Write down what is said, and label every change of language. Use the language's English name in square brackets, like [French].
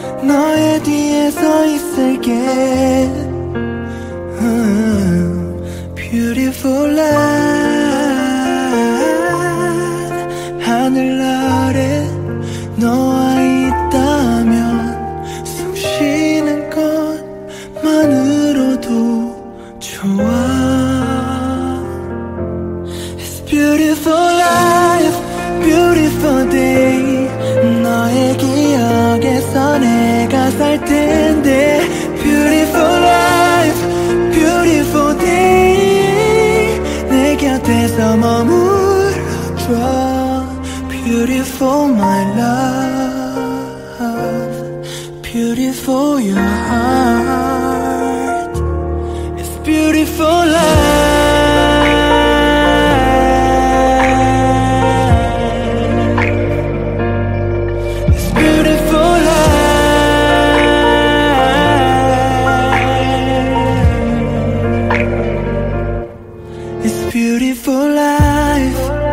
[Korean] 함께 [English] Beautiful life. [Korean] 하늘 아래 너와 있다면 숨 쉬는 것만으로도 좋아. [English] It's beautiful life, beautiful day. [Korean] 너의 기억에서 내가 살 텐데. [English] Beautiful life, beautiful day. [Korean] 내 곁에서 머물러줘. [English] Beautiful my love, beautiful your heart, it's beautiful love, it's beautiful love, it's beautiful life.